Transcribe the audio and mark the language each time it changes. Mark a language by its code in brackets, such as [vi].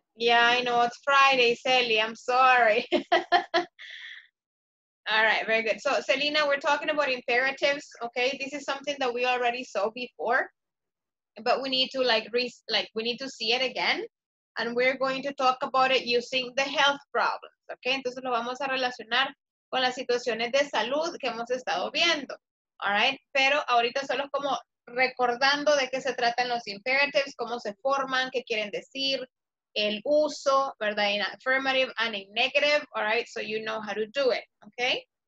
[en] Yeah, I know, it's Friday, Selly, I'm sorry. All right, very good. So, Selena, we're talking about imperatives, okay? This is something that we already saw before, but we need to, like, we need to see it again, and we're going to talk about it using the health problems, okay? [es] Entonces, lo vamos a relacionar con las situaciones de salud que hemos estado viendo, all right? Pero ahorita solo como recordando de qué se tratan los imperatives, cómo se forman, qué quieren decir, el uso, ¿verdad? [en] In affirmative and in negative, all right? So you know how to do it, okay?